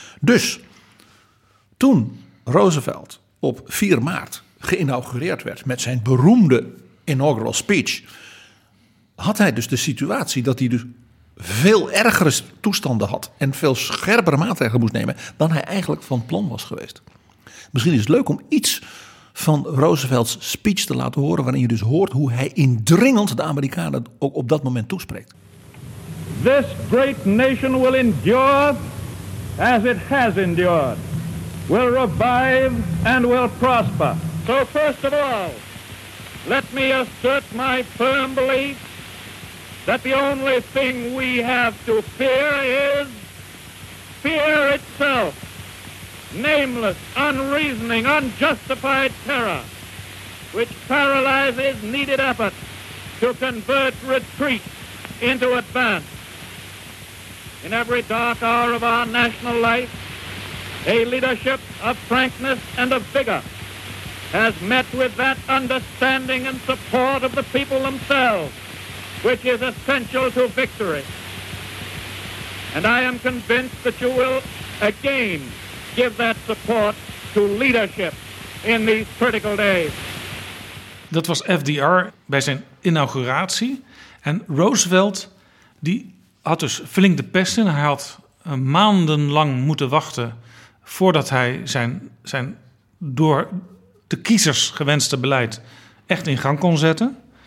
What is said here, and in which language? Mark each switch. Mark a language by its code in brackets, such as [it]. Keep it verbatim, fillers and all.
[nl] Dus toen Roosevelt op vier maart geïnaugureerd werd met zijn beroemde [en] inaugural speech, [nl] had hij dus de situatie dat hij dus veel ergere toestanden had en veel scherpere maatregelen moest nemen dan hij eigenlijk van plan was geweest. Misschien is het leuk om iets van Roosevelt's speech te laten horen, waarin je dus hoort hoe hij indringend de Amerikanen ook op dat moment toespreekt. [en] This great nation will endure as it has endured, will revive and will prosper. So first of all, let me assert my firm belief that the only thing we have to fear is fear itself, nameless, unreasoning, unjustified terror, which paralyzes needed effort to convert retreat into advance. In every dark hour of our national life, a leadership of frankness and of vigor has met with that understanding and support of the people themselves, which is essential to victory. And I am convinced that you will again give that support to leadership in these critical days. [nl] Dat was F D R bij zijn inauguratie. En Roosevelt die had dus flink de pest in. Hij had maandenlang moeten wachten voordat hij zijn, zijn door de kiezers gewenste beleid echt in gang kon zetten.